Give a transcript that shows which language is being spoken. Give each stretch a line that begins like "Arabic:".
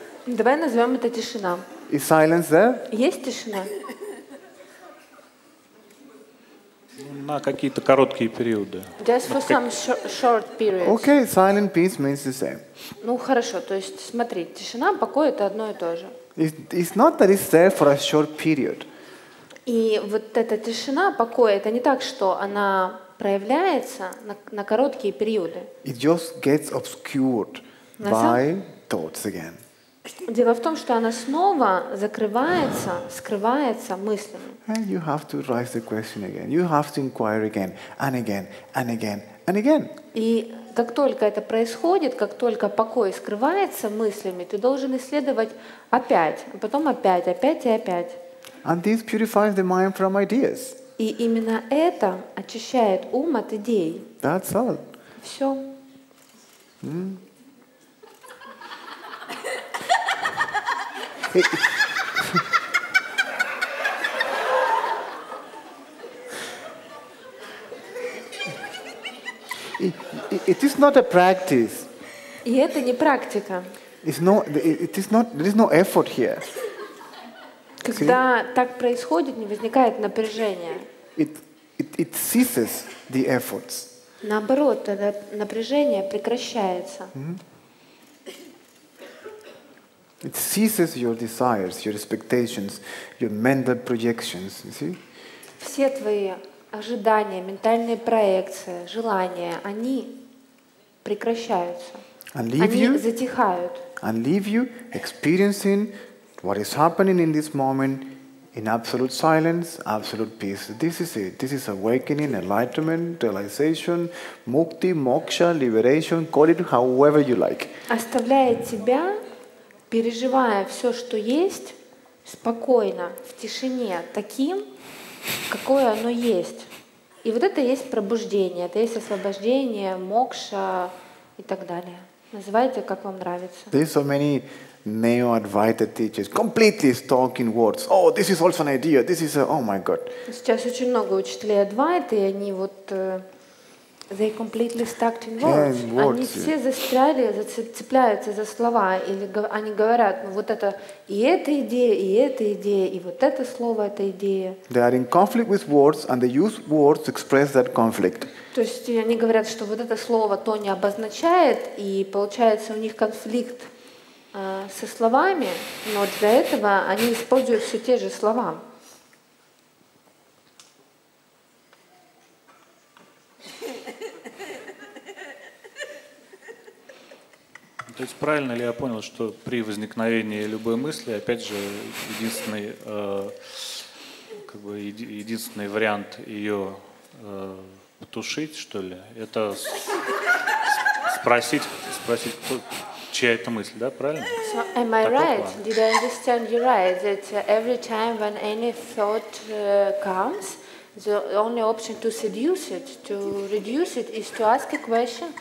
Russian: Давай назовем это тишина.
English: Is silence there?
Russian: Есть тишина? На какие-то короткие периоды.
English: Just for some short periods. Okay, silent peace means the same.
Russian: Ну хорошо, то есть смотри, тишина, покой — это одно и то же.
English: It's not that it's there for a short period.
Russian: И вот эта тишина, покой — это не так, что она проявляется на короткие периоды.
English: It just gets obscured by thoughts again.
Russian: Дело в том, что она снова закрывается, скрывается мыслями.
English: And you have to raise the question again. You have to inquire again and again and again and again.
Russian: И как только это происходит, как только покой скрывается мыслями, ты должен исследовать опять, а потом опять, опять и опять.
English: And this purifies the mind from ideas.
Russian: И именно это очищает ум от идей.
English: That's all.
Russian: Все.
English: It is not a practice.
Russian: И это не практика.
English: There is no effort here.
Russian: Когда так происходит, не возникает напряжения.
English: It ceases the efforts.
Russian: Наоборот, это напряжение прекращается. Mm-hmm.
English: It ceases your desires, your expectations, your mental projections. You see?
Russian: Все твои ожидания, ментальные проекции, желания, они прекращаются.
English: And leave
Russian: они
English: you,
Russian: затихают.
English: And leave you experiencing what is happening in this moment. In absolute silence, absolute peace. This is it. This is awakening, enlightenment, realization, mukti, moksha, liberation. Call it however you like.
Russian: Оставляя тебя, переживая все, что есть, спокойно, в тишине, таким, какое оно есть. И вот это есть пробуждение, это есть освобождение, мокша и так далее. Называйте, как вам нравится.
English: There's so many neo-advaita teachers completely talking words. Oh, this is also an idea. This is a, oh my god.
Russian: Сейчас очень много учителей адвайты, и они вот
English: they completely stuck in words. Yeah, in words.
Russian: Они все застряли, цепляются за слова, или они говорят, ну вот это и эта идея, и эта идея, и вот это слово, это идея.
English: They are in conflict with words, and they use words to express that conflict.
Russian: То есть они говорят, что вот это слово то не обозначает, и получается у них конфликт со словами, но для этого они используют все те же слова. Это То есть правильно ли я понял, что при возникновении любой мысли, опять же, единственный вариант ее потушить, что ли, это спросить, кто, чья это мысль, да, правильно?
English: So am I right? Did I understand you right? That every time when any thought comes, the only option to seduce it, to reduce it, is to ask a question.